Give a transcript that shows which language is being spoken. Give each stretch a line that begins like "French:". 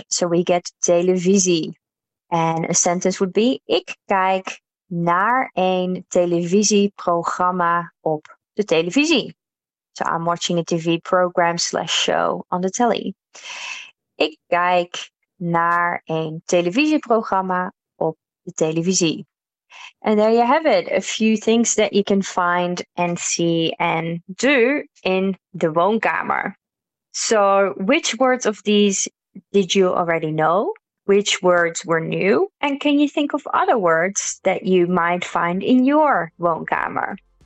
English: So we get televisie. And a sentence would be,
Dutch: ik kijk naar een televisieprogramma op de televisie.
English: So I'm watching a TV program slash show on the telly.
Dutch: Ik kijk naar een televisieprogramma op de televisie.
English: And there you have it. A few things that you can find and see and do in de woonkamer. So which words of these did you already know? Which words were new? And can you think of other words that you might find in your woonkamer?